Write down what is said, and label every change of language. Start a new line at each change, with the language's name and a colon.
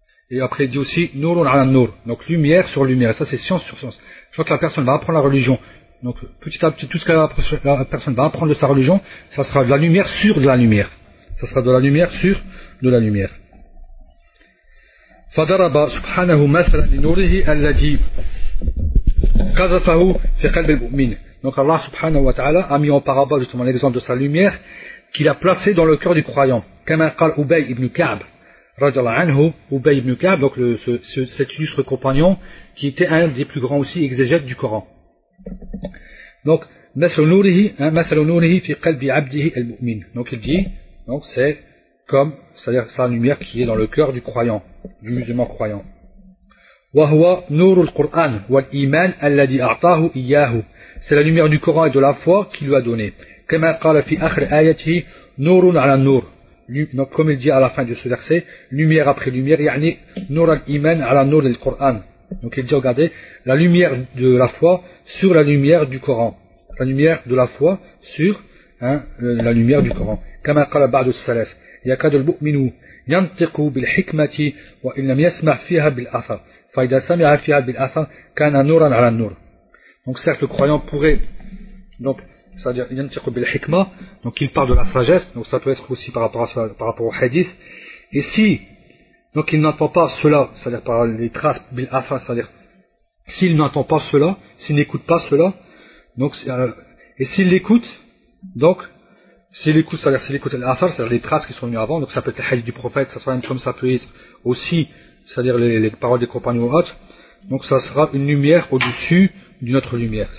French: Et après il dit aussi
Arabic: Nourun ala Nour,
French: donc lumière sur lumière, et ça c'est science sur science. Je crois que la personne va apprendre la religion. Donc petit à petit, tout ce que la personne va apprendre de sa religion, ça sera de la lumière sur de la lumière. Ça sera de la lumière sur de la lumière.
Arabic: فضرب سبحانه مثلا لنوره الذي قذفه في قلب المؤمن.
French: Donc Allah subhanahu wa ta'ala a mis en parabole justement l'exemple de sa lumière qu'il a placée dans le cœur du croyant. Comme a dit Ubay ibn Ka'b, radiallahu anhu, Ubay ibn Ka'b, donc cet illustre compagnon qui était un des plus grands aussi exégètes du Coran.
Arabic: Donc, مثل نوره في قلب عبده المؤمن.
French: Donc il dit, donc c'est comme, c'est-à-dire sa lumière qui est dans le cœur du croyant, du musulman croyant.
Arabic: وهو نور القرآن والإيمان الذي أعطاه إياه.
French: C'est la lumière du Coran et de la foi qu'il lui a donné.
Arabic: كما قال في آخر آياته نور على نور.
French: Donc comme il dit à la fin de ce verset, lumière après lumière,
Arabic: يعني نور الإيمان على نور القرآن.
French: Donc il dit, regardez, la lumière de la foi sur la lumière du Coran. La lumière de la foi sur la lumière du Coran.
Arabic: كما قال بعض السلف يكاد المؤمن ينطق بالحكمة وإن لم يسمع فيها بالأثر. فإذا سمع فيها بالأثر كان نورا على النور.
French: Donc certes, le croyant pourrait, donc, c'est-à-dire
Arabic: ينطق بالحكمة,
French: donc il parle de la sagesse, donc ça peut être aussi par rapport au hadith. Et si donc il n'entend pas cela, c'est-à-dire par les traces بالأثر, c'est-à-dire s'il n'entend pas cela, s'il n'écoute pas cela, donc et s'il l'écoute, donc s'il écoute, c'est-à-dire s'il écoute l'affaire, c'est-à-dire les traces qui sont venues avant, donc ça peut être le hadith du prophète, ça sera même comme ça peut être aussi, c'est-à-dire les paroles des compagnons ou autres, donc ça sera une lumière au-dessus d'une autre lumière.